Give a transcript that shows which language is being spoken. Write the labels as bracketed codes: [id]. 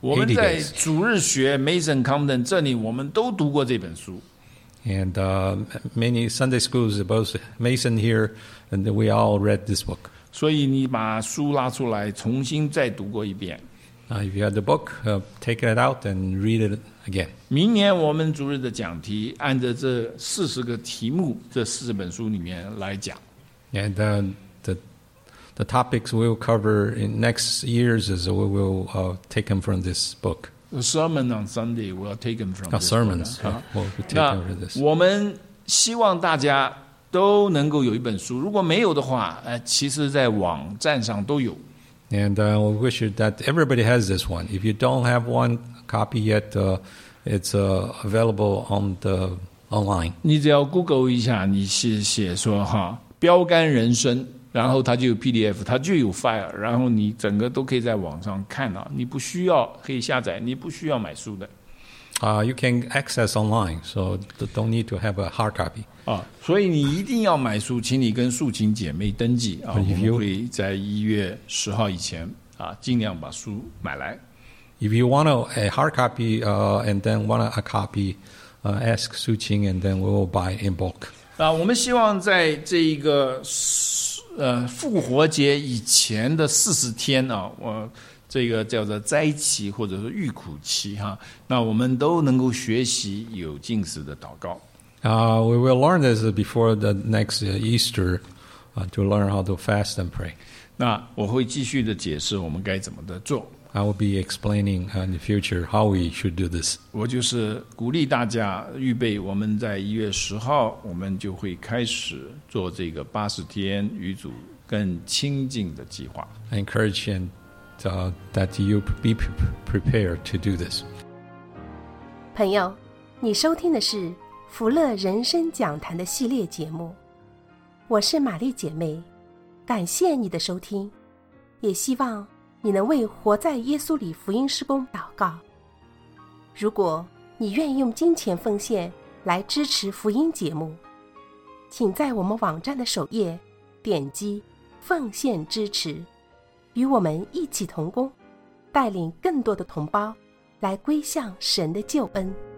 [zh] 我们在主日学 Mason Compton 这里，我们都读过这本书。 [en] And many Sunday schools, both Mason here, and we all read this book. [zh] 所以你把书拉出来，重新再读过一遍。 [en] If you have the book, take it out and read it again. [zh] 明年我们主日的讲题，按着这40个题目，这40本书里面来讲。 [en] And the topics we will cover in next years is we will take them from this book. The sermon on Sunday will be taken from this. Sermons will be taken from this. [zh] 我们希望大家都能够有一本书，如果没有的话，其实在网站上都有。 [en] And I wish that everybody has this one. If you don't have one copy yet, it's available on the online. [zh] 你只要 Google 一下，你是写说哈标杆人生，然后它就有 PDF， 它就有 file， 然后你整个都可以在网上看啊，你不需要可以下载，你不需要买书的。 [en] You can access online, so don't need to have a hard copy. [zh] 所以你一定要买书，请你跟素琴姐妹登记啊，我们会在一月十号以前啊，尽量把书买来。 [en] If you want a hard copy, and then want a copy, ask 素琴 and then we will buy in bulk. [zh] 我们希望在这一个复活节以前的四十天啊，这个叫做灾期或者是预苦期哈，那我们都能够学习有进食的祷告。 [en] We will learn this before the next Easter, to learn how to fast and pray. [zh] 那我会继续的解释我们该怎么的做。 [en] I will be explaining in the future how we should do this. [zh] 我就是鼓励大家预备，我们在一月十号，我们就会开始做这个八十天与主更亲近的计划。 [en] I encourage you. That you be prepared to do this. [zh] 朋友，你收听的是福乐人生讲坛的系列节目，我是玛丽姐妹，感谢你的收听，也希望你能为活在耶稣里福音事工祷告。如果你愿意用金钱奉献来支持福音节目，请在我们网站的首页点击奉献支持，与我们一起同工，带领更多的同胞来归向神的救恩。